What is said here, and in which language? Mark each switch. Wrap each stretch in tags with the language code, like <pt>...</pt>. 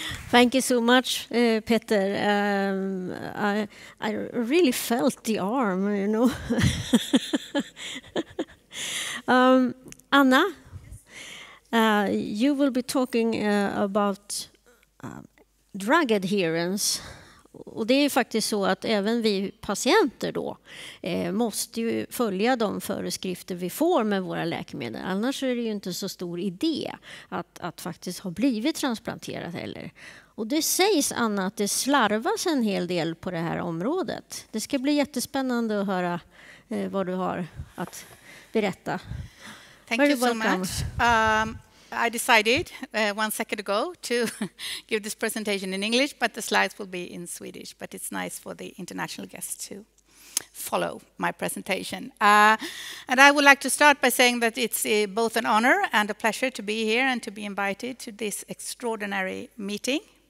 <en>Thank you so much, Peter. I really felt the arm, you know. Anna, you will be talking about drug adherence.</en> <sv>Och det är ju faktiskt så att även vi patienter då måste ju följa de föreskrifter vi får med våra läkemedel. Annars är det ju inte så stor idé att faktiskt ha blivit transplanterad heller. Och det sägs, Anna, att det slarvas en hel del på det här området. Det ska bli jättespännande att höra vad du har att berätta.</sv> <en>Thank you so much. I decided one second ago to give this presentation in English, but the slides will be in Swedish. But it's nice for the international guests to follow my presentation. And I would like to start by saying that it's both an honor and a pleasure to be here and to be invited to this extraordinary meeting.</en>